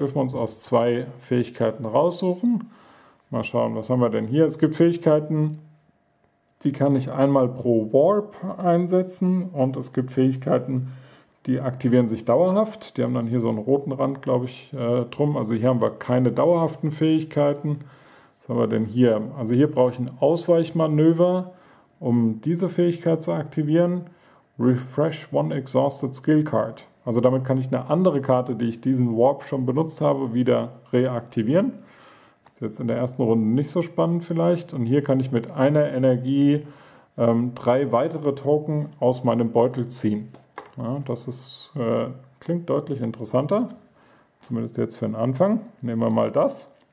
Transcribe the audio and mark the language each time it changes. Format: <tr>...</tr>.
<de>Dürfen wir uns aus 2 Fähigkeiten raussuchen. Mal schauen, was haben wir denn hier? Es gibt Fähigkeiten, die kann ich einmal pro Warp einsetzen. Und es gibt Fähigkeiten, die aktivieren sich dauerhaft. Die haben dann hier so einen roten Rand, glaube ich, drum. Also hier haben wir keine dauerhaften Fähigkeiten. Was haben wir denn hier? Also hier brauche ich ein Ausweichmanöver, um diese Fähigkeit zu aktivieren.</de> <en>Refresh one exhausted skill card.</en> <de>Also damit kann ich eine andere Karte, die ich diesen Warp schon benutzt habe, wieder reaktivieren. Ist jetzt in der ersten Runde nicht so spannend vielleicht. Und hier kann ich mit einer Energie 3 weitere Token aus meinem Beutel ziehen. Ja, das klingt deutlich interessanter. Zumindest jetzt für den Anfang. Nehmen wir mal das.</de>